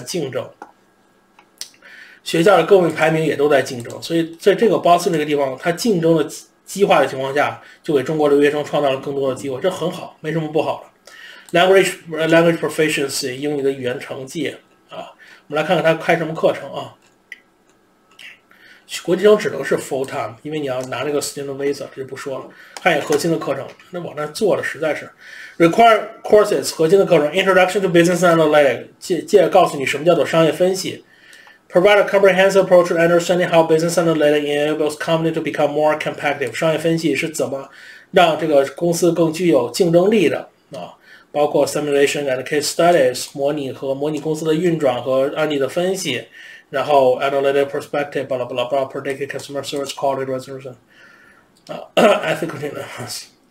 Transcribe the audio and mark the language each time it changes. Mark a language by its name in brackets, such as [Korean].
[Chinese] 竞争，学校的各位排名也都在竞争，所以在这个 Boston 这个地方，它竞争的激化的情况下，就给中国留学生创造了更多的机会，这很好，没什么不好的。 [English] Language proficiency， [Chinese] 英语的语言成绩啊，我们来看看他开什么课程啊？国际生只能是 full time，因为你要拿那个 student visa，这就不说了。看一下核心的课程，那网站做的实在是。 [English] Required courses [Chinese] 核心的课程： [English] Introduction to Business Analytics， [Chinese] 介告诉你什么叫做商业分析； [English] Provide a comprehensive approach to understanding how business analytics enables company to become more competitive。 [Chinese] 商业分析是怎么让这个公司更具有竞争力的啊？包括 [English] simulation and case studies， [Chinese] 模拟公司的运转和案例的分析， [English] 然后 analytic perspective， [Chinese] 巴拉巴拉巴拉， [English] predict customer service quality resolution，ethical analysis。